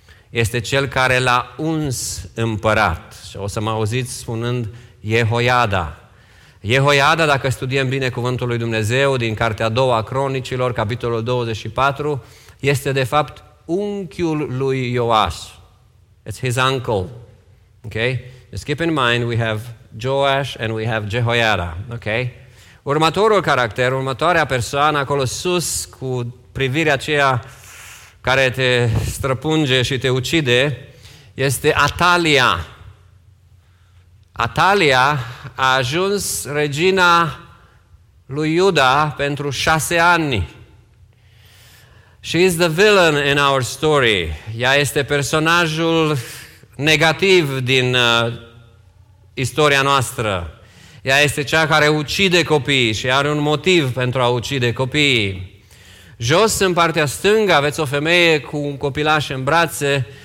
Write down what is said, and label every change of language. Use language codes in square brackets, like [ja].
[ro] Este cel care l-a uns împărat. Și o să mă auziți spunând Jehoiada. Jehoiada, dacă studiem bine cuvântul lui Dumnezeu, din cartea a doua a Cronicilor, capitolul 24, este de fapt unchiul lui Ioas. [en] It's his uncle. Okay? Just keep in mind, we have Joash and we have Jehoiada. Okay? [ro] Următorul caracter, următoarea persoană acolo sus, cu privirea aceea care te străpunge și te ucide, este Atalia. Atalia a ajuns regina lui Iuda pentru 6 ani. [en] She is the villain in our story. [ro] Ea este personajul negativ din istoria noastră. Ea este cea care ucide copiii și are un motiv pentru a ucide copiii. Jos, în partea stângă, aveți o femeie cu un copilaș în brațe.